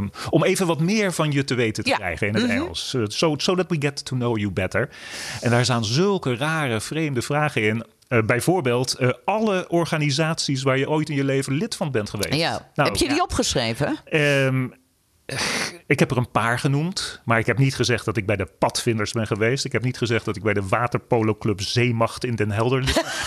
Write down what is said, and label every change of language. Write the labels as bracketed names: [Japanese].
[Dutch] om even wat meer van je te weten te krijgen in het Engels. [English] So that we get to know you better. [Dutch] En daar staan zulke rare, vreemde vragen in. Bijvoorbeeld alle organisaties waar je ooit in je leven lid van bent geweest. Ja. Nou, heb je die opgeschreven? Ik heb er een paar genoemd, maar ik heb niet gezegd dat ik bij de padvinders ben geweest. Ik heb niet gezegd dat ik bij de waterpoloclub Zeemacht in Den Helder lig.